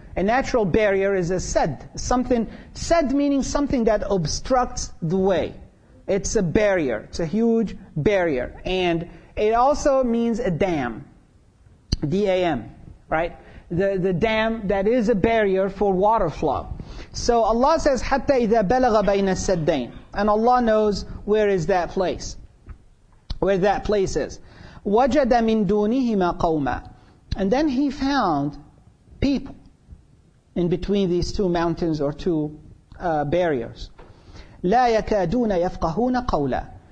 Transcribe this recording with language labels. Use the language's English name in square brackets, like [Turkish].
[English] A natural barrier is a sad. Sad meaning something that obstructs the way. It's a barrier. It's a huge barrier. And it also means a dam. D-A-M. Right? The dam that is a barrier for water flow. So Allah says, [Arabic] حَتَّى إِذَا بَلَغَ بَيْنَ السَّدَّيْنِ. [English] And Allah knows where is that place. Where that place is. [Arabic] وَجَدَ مِن دُونِهِمَا قَوْمًا. [English] And then he found people in between these two mountains or two barriers. [Arabic] لَا يَكَادُونَ يَفْقَهُونَ قَوْلًا.